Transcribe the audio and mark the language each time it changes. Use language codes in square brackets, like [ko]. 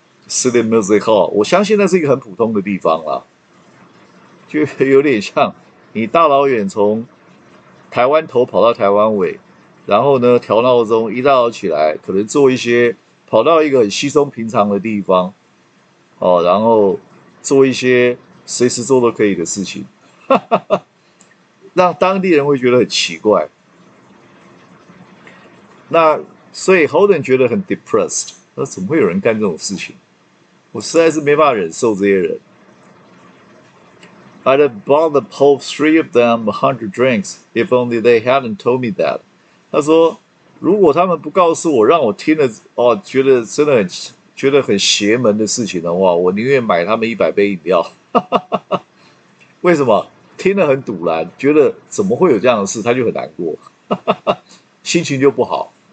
[zh] City Music Hall， 我相信那是一个很普通的地方啦，就有点像你大老远从台湾头跑到台湾尾，然后呢调闹钟，一大早起来可能做一些跑到一个很稀松平常的地方，哦，然后做一些随时做都可以的事情，让当地人会觉得很奇怪。那所以 Holden 觉得很 depressed， 那怎么会有人干这种事情？我实在是没办法忍受这些人。 [en] I'd have bought the whole three of them 100 drinks if only they hadn't told me that. [zh] 他说，如果他们不告诉我，让我听了，哦，觉得真的很，觉得很邪门的事情的话，我宁愿买他们100杯饮料。为什么？听得很堵然，觉得怎么会有这样的事，他就很难过，心情就不好。